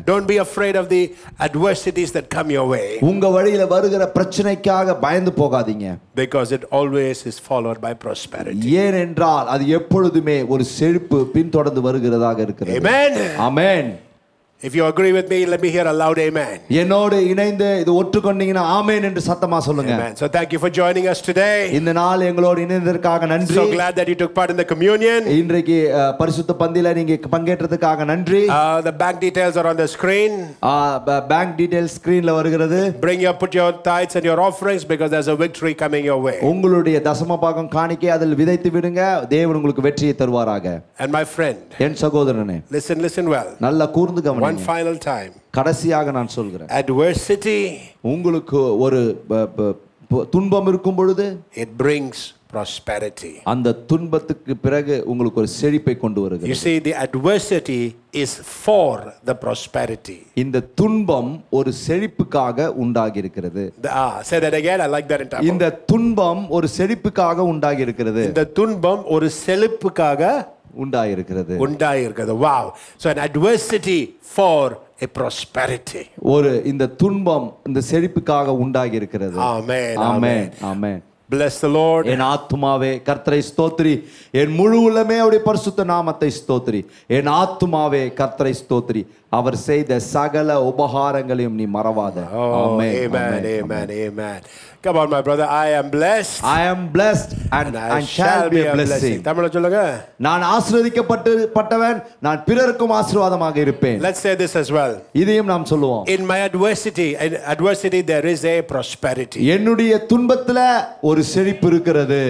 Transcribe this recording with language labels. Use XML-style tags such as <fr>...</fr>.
<en>Don't be afraid of the adversities that come your way.</en> <ta>உங்க வழியில வருகிற பிரச்சனைக்காக பயந்து போகாதீங்க.</ta> <en>Because it always is followed by prosperity.</en> <ta>ஏனென்றால் அது எப்பொழுதே ஒரு செழிப்பு பின் தொடர்ந்து வருகிறதாக இருக்கிறது.</ta> <en>Amen. Amen. If you agree with me, let me hear a loud amen.</en> <ta>என்னோடு இணைந்து இது ஒட்டுக்கொண்டீங்கனா ஆமென் என்று சத்தமா சொல்லுங்க.</ta> <en>Amen. So thank you for joining us today.</en> <ta>இந்த நாள் எங்களோடு இணைந்ததற்காக நன்றி.</ta> <en>So glad that you took part in the communion.</en> <ta>இன்றைக்கு பரிசுத்த பந்தியில நீங்க பங்கேற்றதுக்காக நன்றி.</ta> <en>The bank details are on the screen. Bank details</en> <ta>screenல வருகிறது.</ta> <en>Bring your put your tithes and your offerings because there's a victory coming your way.</en> <ta>உங்களுடைய தசம பாகம் காணிக்கை அதில் விதைத்து விடுங்க. தேவன் உங்களுக்கு வெற்றியை தருவாராக.</ta> <en>And my friend.</en> <ta>என் சகோதரனே.</ta> <en>Listen well.</en> <ta>நல்ல கூர்ந்து</ta> <en>One final time.</en> <ta>கடைசியாக நான் சொல்கிறேன்.</ta> <en>Adversity.</en> <ta>உங்களுக்கு ஒரு துன்பம் இருக்கும் பொழுது.</ta> <en>It brings prosperity.</en> <ta>அந்த துன்பத்துக்கு பிறகு உங்களுக்கு ஒரு செழிப்பை கொண்டு வருகிறது.</ta> <en>You see, the adversity is for the prosperity.</en> <ta>இந்த துன்பம் ஒரு செழிப்புக்காக உண்டாகி இருக்கிறது.</ta> <en>Say that again. I like that in Tamil.</en> <ta>இந்த துன்பம் ஒரு செழிப்புக்காக உண்டாகி இருக்கிறது. இந்த துன்பம் ஒரு செழிப்புக்காக உண்டாயிருக்கிறது. உண்டாயிருக்கிறது.</ta> <en>Wow. So an adversity for a prosperity.</en> <ta>ஒரு இந்த துன்பம் இந்த செழிப்புக்காக உண்டாகி இருக்கிறது.</ta> <en>Amen. Amen. Amen. Bless the Lord.</en> <ta>என் ஆத்துமாவே கர்த்தரை ஸ்தோத்திரி. என் முழு உள்ளமே அவருடைய பரிசுத்த நாமத்தை ஸ்தோத்திரி. என் ஆத்துமாவே கர்த்தரை ஸ்தோத்திரி. அவர் செய்த சகல உபகாரங்களையும் நீ மறவாத.</ta> <en>Amen. Amen. Amen. Amen. Come on, my brother. I am blessed and I shall be a blessing.</en> <ta>Tamil சொல்லுங்க. நான் ஆசீர்வதிக்கப்பட்டவன். நான் பிறருக்கும் ஆசீர்வாதமாக இருப்பேன்.</ta> <en>Let's say this as well.</en> <ta>இதையும் நாம் சொல்லுவோம்.</ta> <en>In my adversity there is a prosperity.</en> <ta>என்னுடைய துன்பத்தில் ஒரு செழிப்பு இருக்கிறது.</ta>